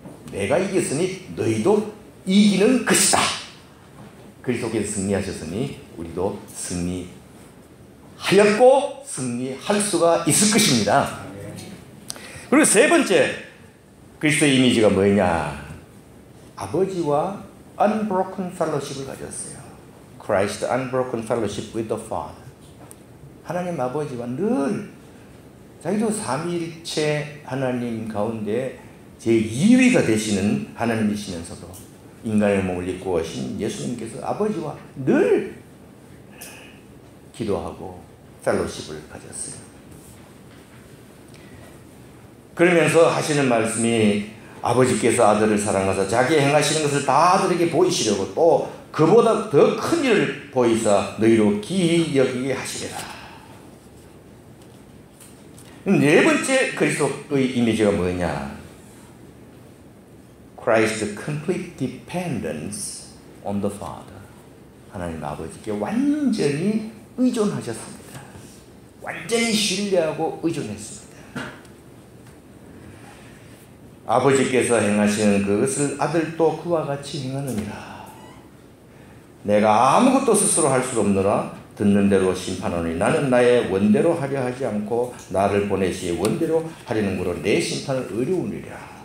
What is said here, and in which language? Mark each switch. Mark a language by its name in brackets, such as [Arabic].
[Korean] 내가 이겼으니 너희도 이기는 것이다. 그리스도께서 승리하셨으니 우리도 승리하였고 승리할 수가 있을 것입니다. 그리고 세 번째, 그리스도의 이미지가 뭐냐? 아버지와 [English] unbroken fellowship [Korean] 을 가졌어요. [English] Christ unbroken fellowship with the Father. [Korean] 하나님 아버지와 늘 자기도 삼위일체 하나님 가운데 제2위가 되시는 하나님이시면서도 인간의 몸을 입고 오신 예수님께서 아버지와 늘 기도하고 fellowship을 가졌어요. 그러면서 하시는 말씀이 아버지께서 아들을 사랑하사 자기의 행하시는 것을 다 아들에게 보이시려고 또 그보다 더 큰 일을 보이사 너희로 기이 여기게 하시리라. 네 번째 그리스도의 이미지가 뭐냐? [English] Christ's complete dependence on the Father. [Korean] 하나님 아버지께 완전히 의존하셨습니다. 완전히 신뢰하고 의존했습니다. 아버지께서 행하시는 그것을 아들도 그와 같이 행하느니라. 내가 아무것도 스스로 할 수 없느라 듣는 대로 심판하노니 나는 나의 원대로 하려 하지 않고 나를 보내시의 원대로 하려는 거로 내 심판을 의뢰하느니라.